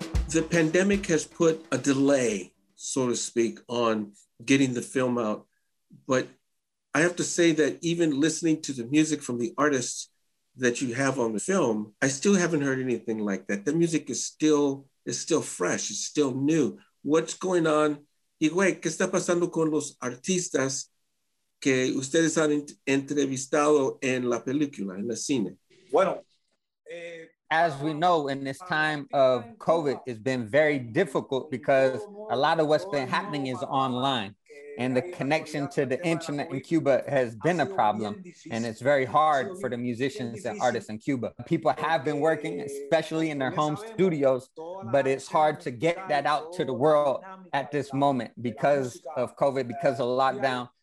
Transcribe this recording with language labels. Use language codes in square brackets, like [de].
[en] The pandemic has put a delay, so to speak, on getting the film out. But I have to say that even listening to the music from the artists that you have on the film, I still haven't heard anything like that. The music is still fresh, it's still new. What's going on? [es] Igwe, ¿qué está pasando con los artistas que ustedes han entrevistado en la película, en la cine? Bueno, [en] as we know, in this time of COVID, it's been very difficult because a lot of what's been happening is online. And the connection to the internet in Cuba has been a problem. And it's very hard for the musicians and artists in Cuba. People have been working, especially in their home studios, but it's hard to get that out to the world at this moment because of COVID, because of lockdown.